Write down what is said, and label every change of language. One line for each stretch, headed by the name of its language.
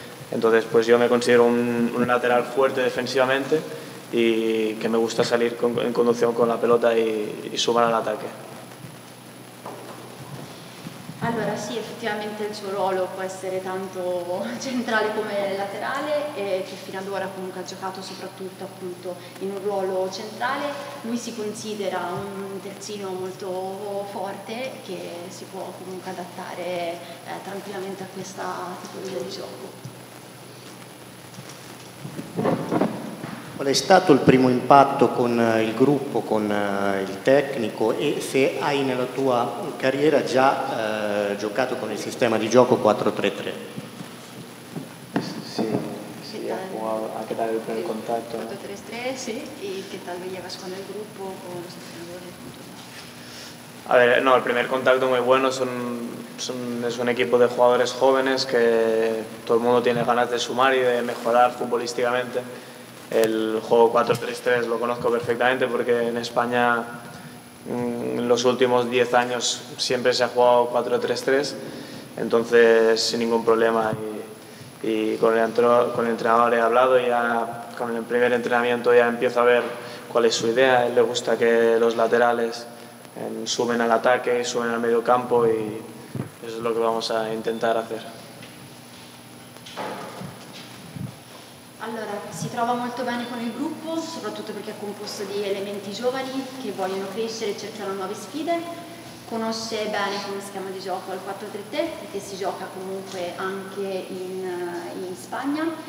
Spanish: Entonces pues yo me considero un lateral fuerte defensivamente y que me gusta salir en conducción con la pelota y sumar al ataque.
Italian: Allora sì, effettivamente il suo ruolo può essere tanto centrale come laterale e che fino ad ora comunque ha giocato soprattutto appunto in un ruolo centrale. Lui si considera un terzino molto forte che si può comunque adattare tranquillamente a questa tipologia di gioco. Qual è stato il primo impatto con il gruppo, con il tecnico e se hai nella tua carriera già giocato con il sistema di gioco 4-3-3? Sì, sì, ha jugato anche dal primo contatto. 4-3-3, sì, e
Spanish: che tal vi llevas
Italian: con il gruppo, con lo sostenitore?
Spanish: A ver, no, el primer contacto muy bueno, es un equipo de jugadores jóvenes que todo el mundo tiene ganas de sumar y de mejorar futbolísticamente. El juego 4-3-3 lo conozco perfectamente porque en España en los últimos 10 años siempre se ha jugado 4-3-3, entonces sin ningún problema. Y con el entrenador he hablado y ya con el primer entrenamiento ya empiezo a ver cuál es su idea. A él le gusta que los laterales sumen al ataque, sumen al medio campo y eso es lo que vamos a intentar hacer.
Italian: Allora, si trova molto bene con il gruppo, soprattutto perché è composto di elementi giovani che vogliono crescere e cercano nuove sfide. Conosce bene come schema di gioco al 4-3-3, perché si gioca comunque anche in Spagna.